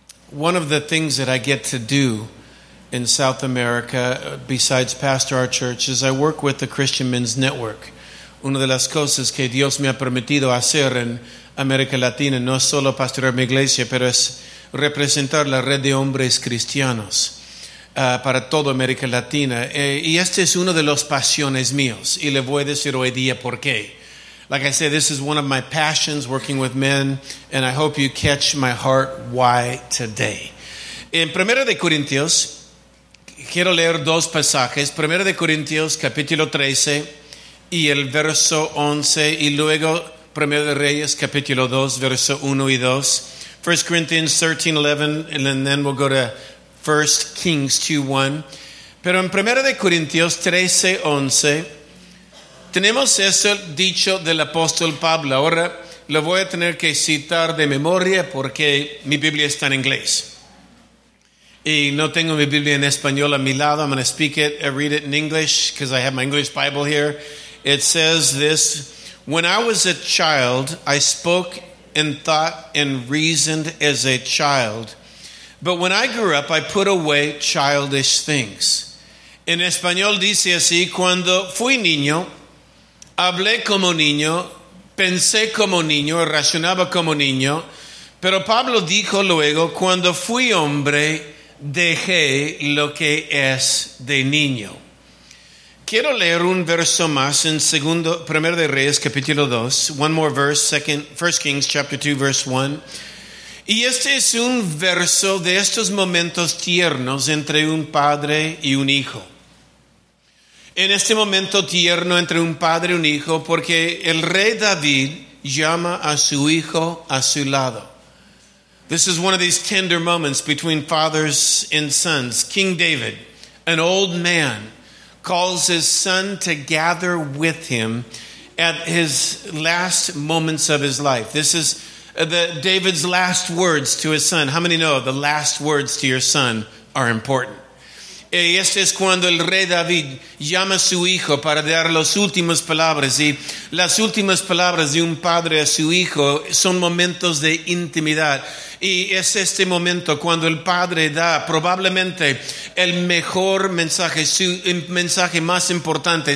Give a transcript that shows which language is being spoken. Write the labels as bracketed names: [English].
[English] One of the things that I get to do in South America, besides pastor our church, is I work with the Christian Men's Network. [Spanish] Una de las cosas que Dios me ha permitido hacer en América Latina, no solo pastorear mi iglesia, pero es representar la red de hombres cristianos para toda América Latina. Y este es uno de los pasiones míos, y le voy a decir hoy día por qué. [English] Like I said, this is one of my passions, working with men, and I hope you catch my heart why today. [Spanish] En 1 de Corintios, quiero leer dos pasajes. 1 de Corintios, capítulo 13 y el verso 11. Y luego 1 de Reyes, capítulo 2, verso 1 y 2. [English] 1 Corinthians 13, 11, and then we'll go to 1 Kings 2, 1. [Spanish] Pero en 1 de Corintios 13, 11, tenemos eso dicho del apóstol Pablo. Ahora lo voy a tener que citar de memoria porque mi Biblia está en inglés. Y no tengo mi Biblia en español a mi lado. [English] I'm going to speak it and read it in English because I have my English Bible here. It says this: when I was a child, I spoke and thought and reasoned as a child. But when I grew up, I put away childish things. [Spanish] En español dice así: cuando fui niño, hablé como niño, pensé como niño, razonaba como niño. Pero Pablo dijo luego: cuando fui hombre, dejé lo que es de niño. Quiero leer un verso más en segundo, primero de Reyes, capítulo 2. [English] One more verse, second, 1 Kings, chapter 2, verse 1. [Spanish] Y este es un verso de estos momentos tiernos entre un padre y un hijo. En este momento tierno entre un padre y un hijo, porque el rey David llama a su hijo a su lado. [English] This is one of these tender moments between fathers and sons. King David, an old man, calls his son to gather with him at his last moments of his life. This is David's last words to his son. How many know the last words to your son are important? [Spanish] Y este es cuando el rey David llama a su hijo para dar las últimas palabras. Y las últimas palabras de un padre a su hijo son momentos de intimidad. Y es este momento cuando el padre da probablemente el mejor mensaje, su mensaje más importante.